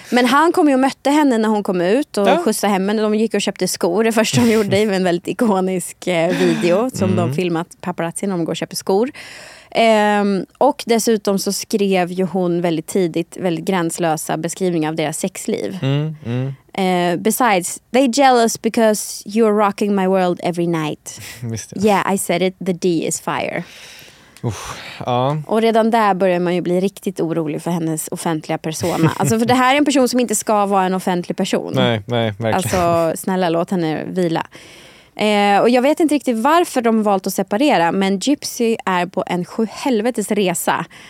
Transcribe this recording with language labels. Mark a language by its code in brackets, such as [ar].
[sv] Men han kom ju och mötte henne när hon kom ut och skjutsade hem henne. De gick och köpte skor det första de gjorde i en väldigt ikonisk video som de filmat paparazzi när de går och köper skor. Och dessutom så skrev ju hon väldigt tidigt väldigt gränslösa beskrivningar av deras sexliv. Mm, mm. [en] Besides, they jealous because you're rocking my world every night. Yeah, I said it, the D is fire. [sv] Ja. Och redan där börjar man ju bli riktigt orolig för hennes offentliga persona. Alltså, för det här är en person som inte ska vara en offentlig person. Nej, nej, verkligen. Alltså, snälla, låt henne vila. Och jag vet inte riktigt varför de valt att separera, men Gypsy är på en sjuhelvetes resa.